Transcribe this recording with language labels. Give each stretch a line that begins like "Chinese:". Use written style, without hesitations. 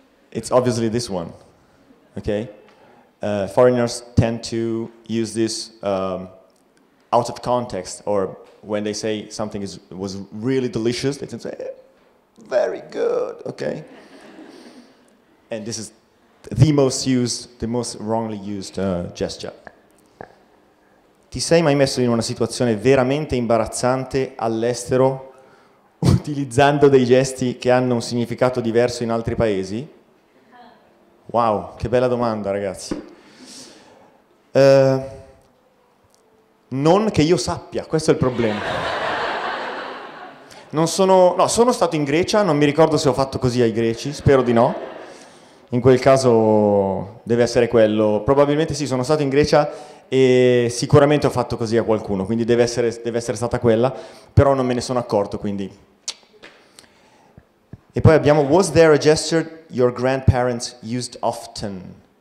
English: it's obviously this one. Okay? Foreigners tend to use this out of context, or when they say something was really delicious, they tend to say, very good, okay? And this is the most wrongly used gesture.
Italian: Ti sei mai messo in una situazione veramente imbarazzante all'estero utilizzando dei gesti che hanno un significato diverso in altri paesi? Wow, che bella domanda, ragazzi. Non che io sappia, questo è il problema. Sono stato in Grecia, non mi ricordo se ho fatto così ai greci, spero di no. In quel caso deve essere quello. Probabilmente sì, sono stato in Grecia e sicuramente ho fatto così a qualcuno, quindi deve essere stata quella, però non me ne sono accorto, quindi. E poi abbiamo,
English: was there a gesture your grandparents used often?